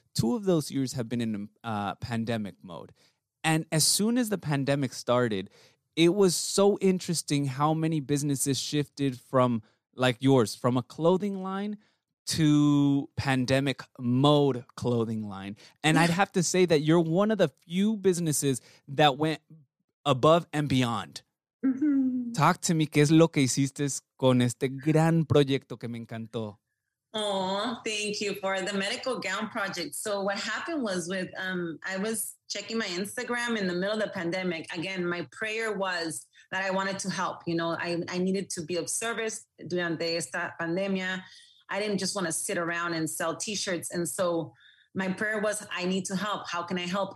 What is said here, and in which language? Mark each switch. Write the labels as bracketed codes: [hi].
[en] Two of those years have been in pandemic mode. And as soon as the pandemic started, it was so interesting how many businesses shifted from, like yours, from a clothing line to pandemic mode clothing line. And I'd have to say that you're one of the few businesses that went above and beyond. Mm-hmm. Talk to me, [es] ¿qué es lo que hiciste con este gran proyecto que me encantó? [en] Oh, thank you for the medical gown project. So what happened was with, I was checking my Instagram in the middle of the pandemic. Again, my prayer was that I wanted to help, you know, I needed to be of service [es] durante esta pandemia. [en] I didn't just want to sit around and sell t-shirts. And so my prayer was, I need to help. How can I help?